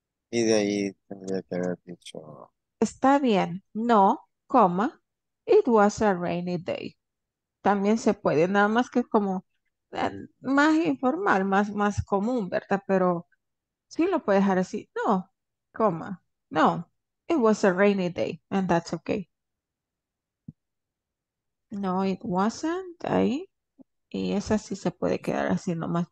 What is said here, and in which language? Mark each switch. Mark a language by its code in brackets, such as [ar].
[es] Y de ahí tendría que haber dicho. Está bien, no, coma, [en] it was a rainy day. [es] También se puede, nada más que como más informal, más común, ¿verdad? Pero... sí, lo puede dejar así. No, coma. [en] No, it was a rainy day, and that's okay. No, it wasn't. Ahí. [es] Y esa sí se puede quedar así nomás.